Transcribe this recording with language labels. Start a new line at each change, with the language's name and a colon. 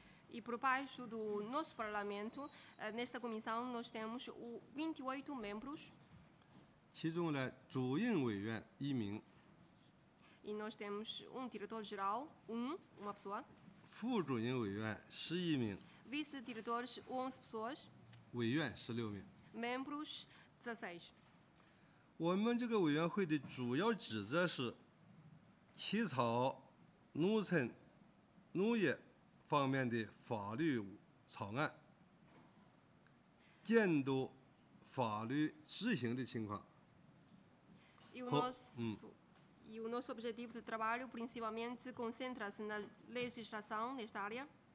Portuguese: E por baixo do nosso parlamento, nesta comissão, nós temos 28 membros.
Chinese: 其中呢, 主任委员, 一名,
Portuguese: e nós temos um diretor-geral, uma pessoa.
Chinese: 副主任委员, 11名,
Portuguese: vice-diretores, 11 pessoas.
Chinese: 委员, 16名,
Portuguese: membros, 16.
Chinese: 我们这个委员会的主要职责是起草农村 农业方面的法律草案，监督法律执行的情况。
Portuguese: E o nosso objetivo de trabalho principalmente concentra-se na legislação nesta área.